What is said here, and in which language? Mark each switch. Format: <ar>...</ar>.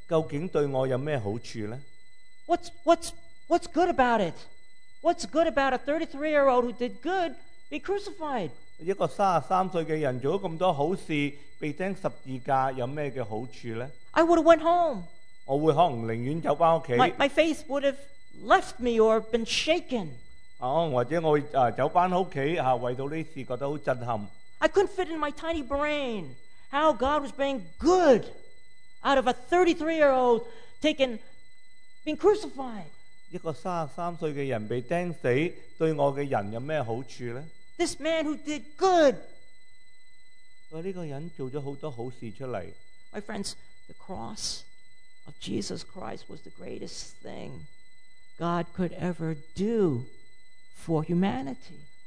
<zh>如果我站在这个十字架的下面的时候，我望着耶稣基督，我说这些事究竟对我有什么好处呢？</zh> <en>What's good about it? What's good about a 33-year-old who did good be crucified?</en> <zh>一个33岁的人做了这么多好事，被钉十字架，有什么好处呢?</zh> <en>I would have went home. My faith would have left me or been shaken. I couldn't fit in my tiny brain how God was being good out of a 33-year-old taken, being crucified.</en> <zh>一个33岁的人被钉死, 对我的人有什么好处呢?</zh> <en>This man who did good.</en> <zh>这个人做了很多好事出来。</zh> <en>My friends, the cross of Jesus Christ was the greatest thing God could ever do for humanity.</en>